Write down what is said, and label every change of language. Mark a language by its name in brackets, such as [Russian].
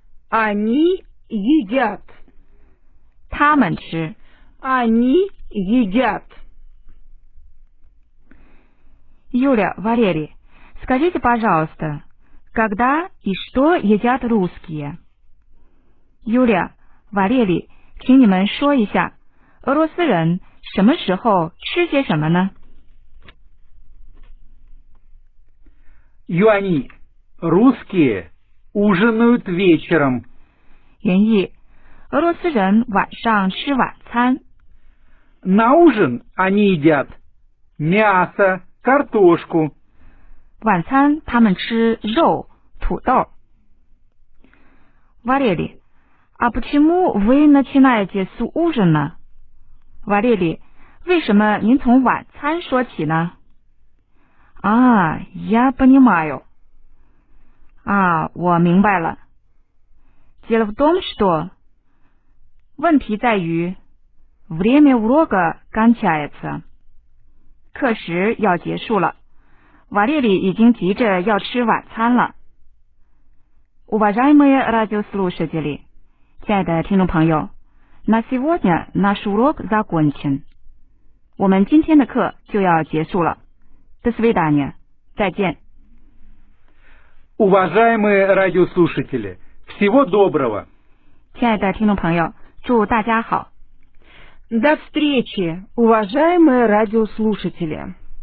[Russian] Они едят. [Chinese] 他们吃. [Russian] Они едят. Юля, Валерий, скажите, пожалуйста, когда и что едят русские? [Chinese] Юля, Валерий, 请你们说一下, 俄罗斯人什么时候吃些什么呢? [Russian] Юани, русские ужинают вечером. [Chinese] 原意, 俄罗斯人晚上吃晚餐. [Russian] На ужин они едят мясо, картошку. [Chinese] 晚餐他们吃肉,土豆. [Russian] Валерий, а почему вы начинаете с ужина? [Chinese] Валерий, 为什么您从晚餐说起呢? [Russian] А, я понимаю. А, [Chinese] 我明白了. [Russian] Дело в том, что... [Chinese] 问题在于... [Russian] Время урока кончается. [Chinese] 课时要结束了. Валерий 已经急着要吃晚餐了. [Russian] Уважаемые радиослушатели, [Chinese] 亲爱的听众朋友, [Russian] на сегодня наш урок закончен. [Chinese] 我们今天的课就要结束了. [Russian] До свидания. [Chinese] 再见. [Russian] Уважаемые радиослушатели, всего доброго. [Chinese] 亲爱的听众朋友, 祝大家好. [Russian] До встречи, уважаемые радиослушатели.